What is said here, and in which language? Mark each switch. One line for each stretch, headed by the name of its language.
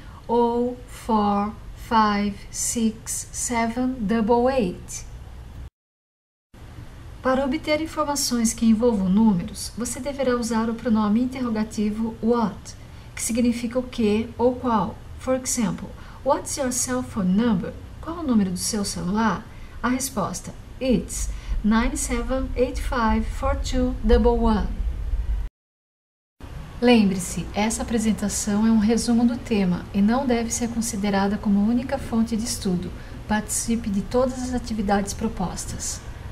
English: ou 4, 5, 6, 7, double 8.
Portuguese: Para obter informações que envolvam números, você deverá usar o pronome interrogativo what, que significa o que ou qual.
English: For example, what's your cell phone number?
Portuguese: Qual o número do seu celular? A resposta: it's 9785-4211. Lembre-se, essa apresentação é um resumo do tema e não deve ser considerada como única fonte de estudo. Participe de todas as atividades propostas.